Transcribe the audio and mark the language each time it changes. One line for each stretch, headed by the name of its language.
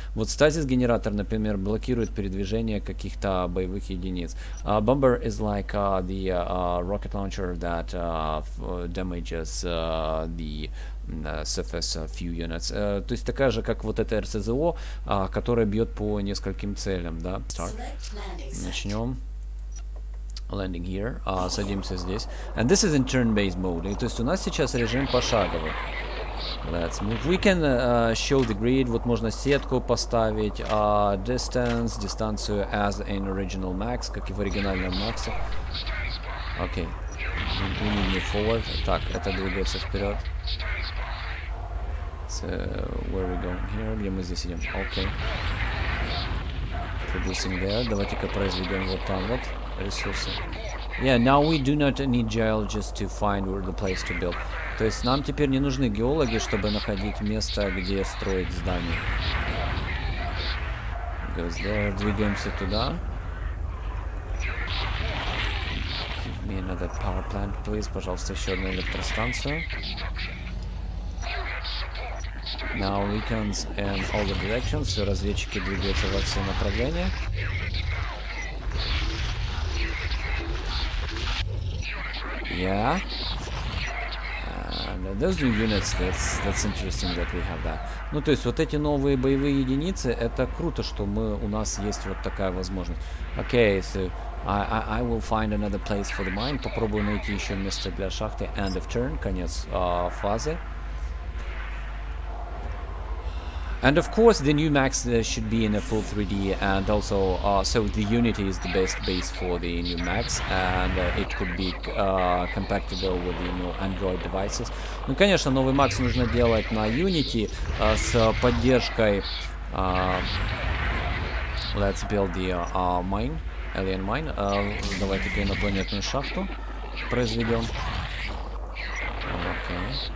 Russian: Вот стазис генератор, например, блокирует передвижение каких-то боевых единиц.
English: Bomber is like the rocket launcher that damages the surface few units.
Russian: То есть такая же, как вот это РСЗО, которая бьет по нескольким целям, да?
English: Start.
Russian: Начнем.
English: Landing here.
Russian: Садимся здесь.
English: And this is in turn-based mode.
Russian: То есть у нас сейчас режим пошаговый.
English: Let's move. We can show the grid.
Russian: Вот можно сетку поставить.
English: Distance, дистанцию as in original max,
Russian: как и в оригинальном max.
English: Okay. We need to move forward.
Russian: Так, это двигается вперед.
English: So, where are we going here?
Russian: Где мы здесь идем?
English: Okay. Producing there.
Russian: Давайте-ка произведем вот там вот ресурсы.
English: Yeah, now we do not need geologists to find where the place to build.
Russian: То есть нам теперь не нужны геологи, чтобы находить место, где строить здание.
English: Goes there.
Russian: Двигаемся туда.
English: Give me another power plant, please.
Russian: Пожалуйста, еще одну электростанцию.
English: Now we can in all the directions.
Russian: Все, разведчики двигаются во все направления.
English: Yeah. Those new units, that's interesting that we have that.
Russian: Ну, то есть, вот эти новые боевые единицы, это круто, что мы, у нас есть вот такая возможность.
English: Okay, so I will find another place for the mine.
Russian: Попробую найти еще место для шахты.
English: End of turn,
Russian: конец фазы.
English: And of course, the new max should be in a full 3D, and also, so the Unity is the best base for the new max, and it could be compatible with the new Android devices.
Russian: Ну, конечно, новый Max нужно делать на Unity с поддержкой.
English: Let's build the mine, alien mine.
Russian: Давайте-ка инопланетную шахту произведем.
English: Okay.